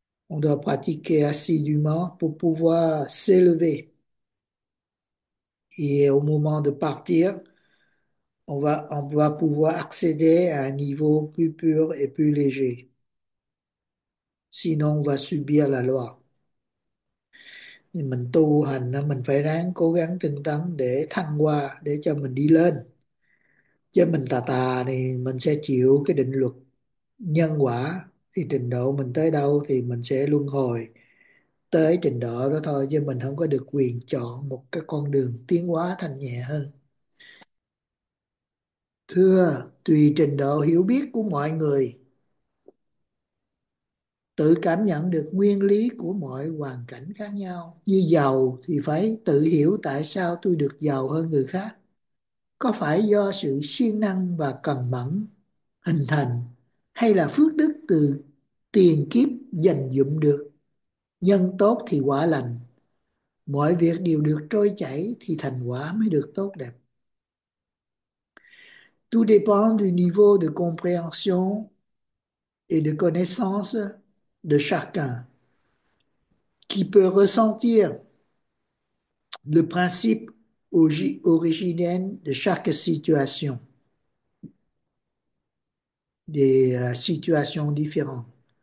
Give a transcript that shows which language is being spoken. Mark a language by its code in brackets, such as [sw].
[fr] On doit pratiquer assidûment pour pouvoir s'élever. Et au moment de partir, on va pouvoir accéder à un niveau plus pur et plus léger. Sinon, on va subir la loi. [vi] Mình tu hành là mình phải ráng cố gắng tinh tấn để thăng hoa, để cho mình đi lên. Chứ mình tà tà thì mình sẽ chịu cái định luật nhân quả. Thì trình độ mình tới đâu thì mình sẽ luân hồi tới trình độ đó thôi. Chứ mình không có được quyền chọn một cái con đường tiến hóa thành nhẹ hơn. Thưa, tùy trình độ hiểu biết của mọi người, tự cảm nhận được nguyên lý của mọi hoàn cảnh khác nhau. Như giàu thì phải tự hiểu tại sao tôi được giàu hơn người khác. Có phải do sự siêng năng và cần mẫn hình thành hay là phước đức từ tiền kiếp dành dụm được? Nhân tốt thì quả lành. Mọi việc đều được trôi chảy thì thành quả mới được tốt đẹp. [fr] Tout dépend du niveau de compréhension et de connaissance de chacun qui peut ressentir le principe originel de chaque situation, des situations différentes.